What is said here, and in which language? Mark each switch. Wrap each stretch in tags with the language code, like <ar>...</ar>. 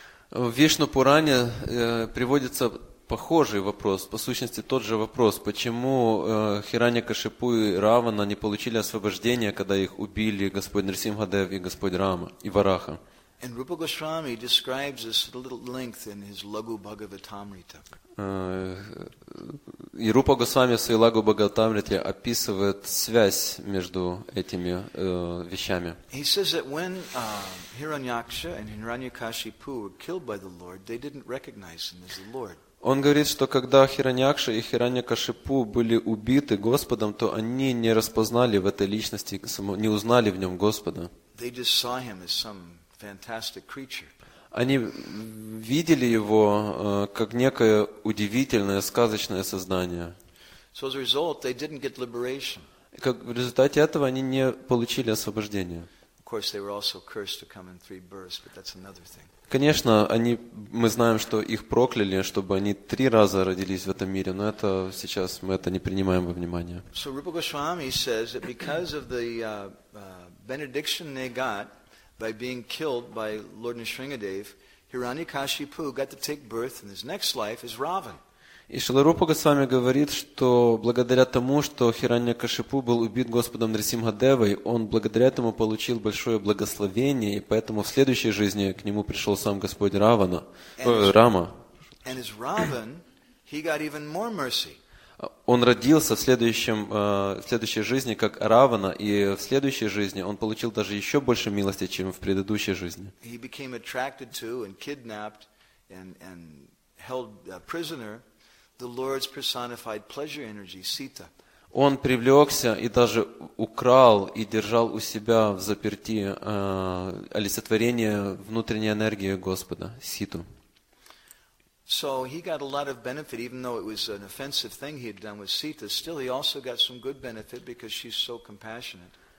<ru>В Вишну Пуране приводится похожий вопрос, по сущности тот же вопрос. Почему Хиранья-Кашипу и Равана не получили освобождение, когда их убили Господь Нрисимхадев и Господь Рама и Вараха?</ru> <en>And Rupa Goswami describes this at a little length in his Lagu Bhagavatamrita.</en> <ru>И Рупа Госвами в своей Лагу Бхагаватамрите описывает связь между этими вещами.</ru> <en>He says that when Hiranyaksha and Hiranyakashipu were killed by the Lord, they didn't recognize him as the Lord.</en> <ru>Он говорит, что когда Хиранякша и Хиранья-Кашипу были убиты Господом, то они не распознали в этой личности, не узнали в нем Господа.</ru> <en>They just saw him as some fantastic creature.</en> <ru>Они видели его как некое удивительное, сказочное создание.</ru> <en>So as a result, they didn't get liberation.</en> <ru>И как в результате этого они не получили освобождение.</ru> <en>Of course, they were also cursed to come in three births, but that's another thing.</en> <ru>Конечно, они, мы знаем, что их прокляли, чтобы они три раза родились в этом мире, но это сейчас мы это не принимаем во внимание.</ru> <en>So Rupa Goswami says that because of the benediction they got by being killed by Lord Nrisimhadev, Hiranyakashipu got to take birth in his next life as Ravan.</en> <ru>И Шрила Рупа Госвами говорит, что благодаря тому, что Хиранья-Кашипу был убит Господом Нрисимхадевой, он благодаря этому получил большое благословение, и поэтому в следующей жизни к нему пришел сам Господь Равана, Рама.</ru> <en>And as Ravan, he got even more mercy.</en> <ru>Он родился в следующей жизни как Равана, и в следующей жизни он получил даже еще больше милости, чем в предыдущей жизни.</ru> <en>He became attracted to and kidnapped and held prisoner the Lord's personified pleasure energy, Sita.</en> <ru>Он привлекся и даже украл и держал у себя в заперти олицетворение внутренней энергии Господа, Ситу.</ru> <en>So he got a lot of benefit, even though it was an offensive thing he had done with Sita. Still, he also got some good benefit because she's so compassionate.</en>